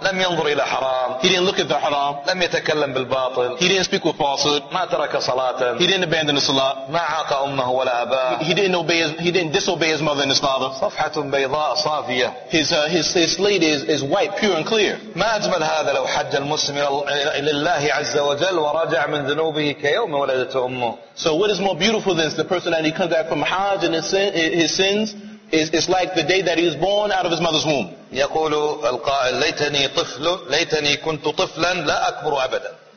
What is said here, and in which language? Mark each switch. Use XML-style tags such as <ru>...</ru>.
<ar>لم ينظر إلى حرام.</ar> <en>He didn't look at the haram.</en> <ar>لم يتكلم بالباطل.</ar> <en>He didn't speak with falsehood.</en> <ar>ما ترك صلاة.</ar> <en>He didn't abandon the salah.</en> <ar>ما عاق أمه ولا أباه.</ar> <en>He didn't disobey his mother and his father.</en> <ar>صفحة بيضاء صافية.</ar> <en>His slate is white, pure and clear.</en> <ar>ما أجمل هذا لو حج المسلم إلى الله عز وجل وراجع من ذنوبه كيوم ولدته أمه.</ar> <en>So what is more beautiful than this? The person that he comes back from Hajj and his sins is like the day that he was born out of his mother's womb.</en> <ar>يقول القائل ليتني طفل ليتني كنت طفلا لا أكبر أبدا.</ar>